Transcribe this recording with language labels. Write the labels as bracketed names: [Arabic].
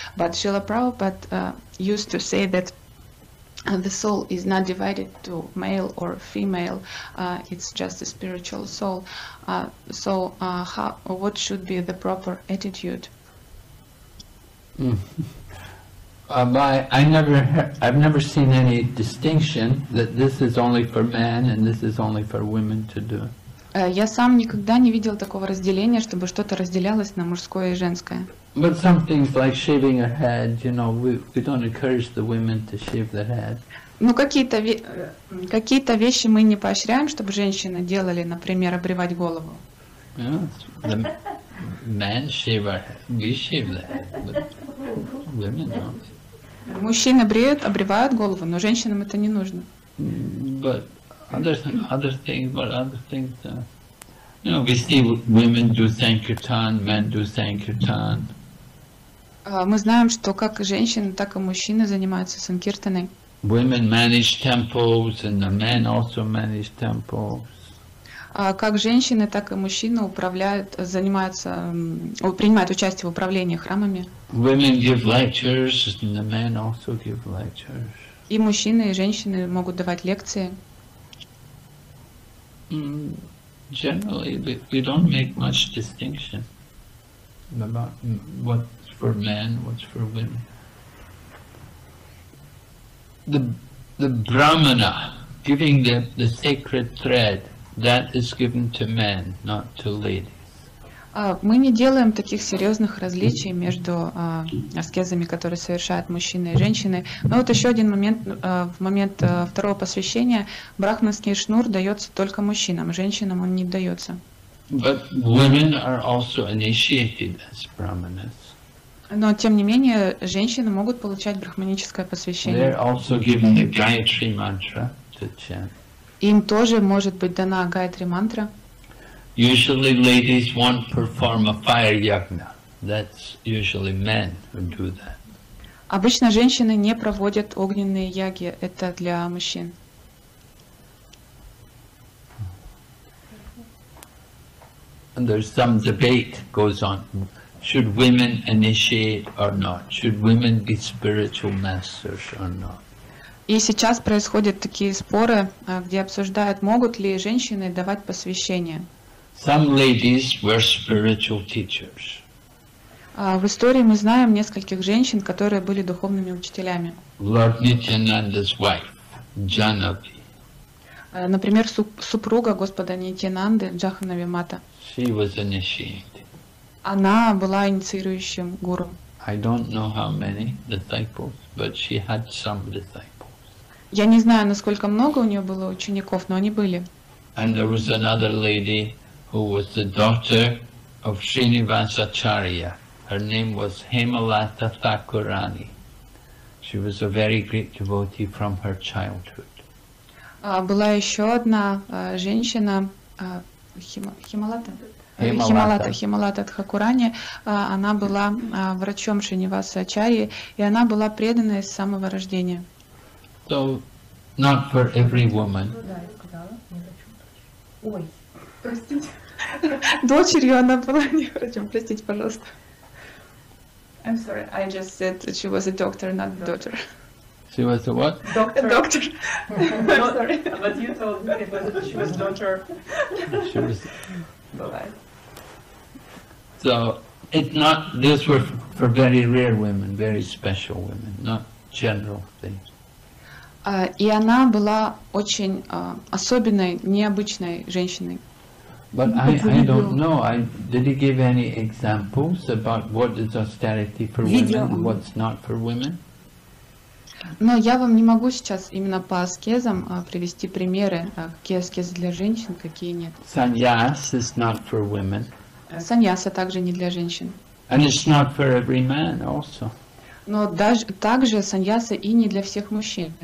[English] But Srila Prabhupada used to say that the soul is not divided to male or female, it's just a spiritual soul. What should be the proper attitude? I've never seen any distinction that this is only for men and this is only for women to do. [Russian] Я сам никогда не видел такого разделения, чтобы что-то разделялось на мужское и женское. [English] But some things like shaving a head, you know, we don't encourage the women to shave their head. [Russian] Ну какие-то вещи мы не поощряем, чтобы женщины делали, например, обривать голову. [English] Yeah, the men shave our head, we shave the head, but women don't. [Russian] Мужчины обривают голову, но женщинам это не нужно. [English] Other things, you know, we see women do sankirtan, men do sankirtan. [Russian] Мы знаем, что как женщины, так и мужчины занимаются санкиртаной. [English] Women manage temples, and the men also manage temples. [Russian] Как женщины, так и мужчины принимают участие в управлении храмами. [English] Women give lectures, and the men also give lectures. [Russian] И мужчины, и женщины могут давать лекции. [English] Generally, we don't make much distinction about what's for men, what's for women. The brahmana, giving the sacred thread, that is given to men, not to ladies. [Russian] Мы не делаем таких серьезных различий между аскезами, которые совершают мужчины и женщины. Но вот еще один момент, в момент второго посвящения брахманский шнур дается только мужчинам, женщинам он не дается. [English] But women are also initiated as brahmanas. [Russian] Но тем не менее женщины могут получать брахманическое посвящение. [English] They're also given the Gayatri mantra to chant. [Russian] Им тоже может быть дана Гайатри мантра. [English] Usually ladies won't perform a fire yagna. That's usually men who do that. [Russian] Обычно женщины не проводят огненные яги. Это для мужчин. [English] And there's some debate goes on. Should women initiate or not? Should women be spiritual masters or not? [Russian] И сейчас происходят такие споры, где обсуждают, могут ли женщины давать посвящение. [English] Some ladies were spiritual teachers. [Russian] В истории мы знаем нескольких женщин, которые были духовными учителями. [English] Lord Nityananda's wife, Janavi. [Russian] Например, супруга Господа Нитьянанды, Джаханави Мата. [English] She was initiated. [Russian] Она была инициирующим гуру. [English] I don't know how many disciples, but she had some disciples. [Russian] Я не знаю, насколько много у нее было учеников, но они были. [English] And there was another lady who was the daughter of Srinivas Acharya. Her name was Hemalata Thakurani. She was a very great devotee from her childhood. [Russian] Была еще одна женщина, Хималата? Хималата. Хималата Тхакурани. Она была врачом Шринивасы Ачарьи, и она была преданной с самого рождения. [English] So, not for every woman. [Russian] Дочерью она была не врачом. Простите, пожалуйста. [English] I'm sorry, I just said that she was a doctor, not a daughter. She was a what? A doctor. I'm sorry. But you told me that she was a daughter. She was... Bye-bye. So, it's not, these were For very rare women, very special women, not general things. [Russian] И она была очень особенной, необычной женщиной. [English] But I don't know. Did he give any examples about what is austerity for women and what's not for women? [Russian] Но я вам не могу сейчас именно по аскезам привести примеры, какие аскезы для женщин, какие нет. [English] Саньяс is not for women. [Russian] Саньяса также не для женщин. [English] And it's not for every man also. Но даже также саньяса и не для всех мужчин.